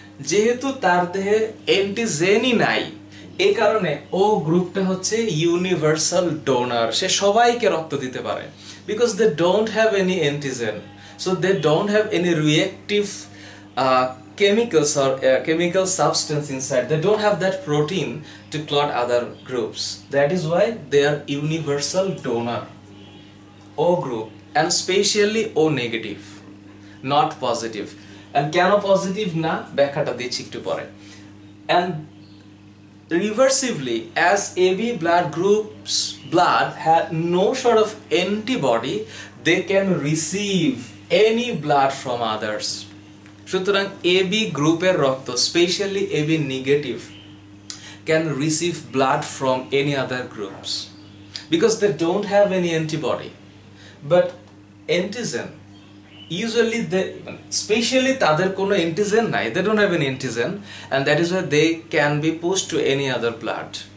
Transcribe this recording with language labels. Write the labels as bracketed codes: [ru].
[bn] যেহেতু তার দেহে অ্যান্টিজেনই নাই এই কারণে ও গ্রুপটা হচ্ছে ইউনিভার্সাল ডোনার, সে সবাইকে রক্ত দিতে পারে, [en] Because they don't have any antigen, so they don't have any reactive chemicals or chemical substance inside, they don't have that protein to clot other groups, that is why they are universal donor, O group and specially O negative, not positive. [bn] And কেন positive na ব্যাখ্যাটা দিচ্ছি একটু পরে। [en] And reversively, as AB blood group's blood had no sort of antibody, they can receive any blood from others. [bn] সুতরাং A B গ্রুপের রক্ত, [en] specially A B negative, can receive blood from any other groups because they don't have any antibody, but antigen usually specially [bn] তাদের কোনো antigen নাই, [en] They don't have an antigen and that is why they can be post to any other blood.